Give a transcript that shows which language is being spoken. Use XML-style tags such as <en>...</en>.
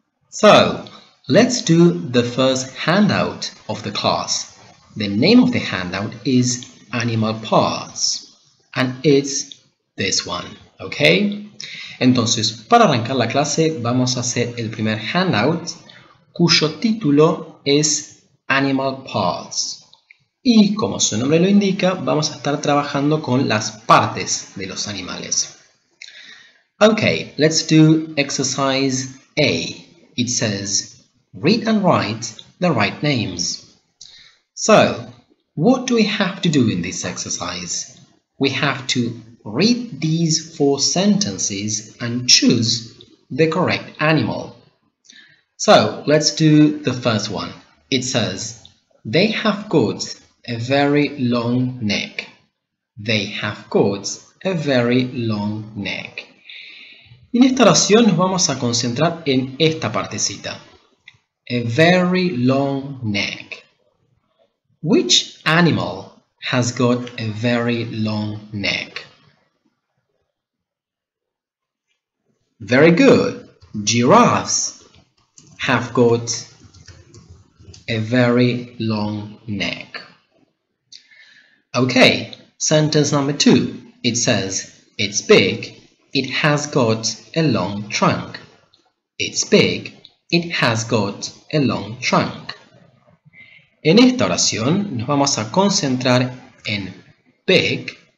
<en>So, let's do the first handout of the class. The name of the handout is Animal Parts, and it's this one, okay?</en> <es>Entonces, para arrancar la clase, vamos a hacer el primer handout, cuyo título es Animal Parts. Y, como su nombre lo indica, vamos a estar trabajando con las partes de los animales.</es> <en>Okay, let's do exercise A. It says, read and write the right names. So, what do we have to do in this exercise? We have to read these four sentences and choose the correct animal. So, let's do the first one. It says, they have got a very long neck. They have got a very long neck.</en> <es>En esta oración nos vamos a concentrar en esta partecita.</es> <en>A very long neck. Which animal has got a very long neck? Very good. Giraffes have got a very long neck. Okay, sentence number two. It says, it's big, it has got a long trunk. It's big, it has got a long trunk.</en> <es>En esta oración nos vamos a concentrar en big,</es>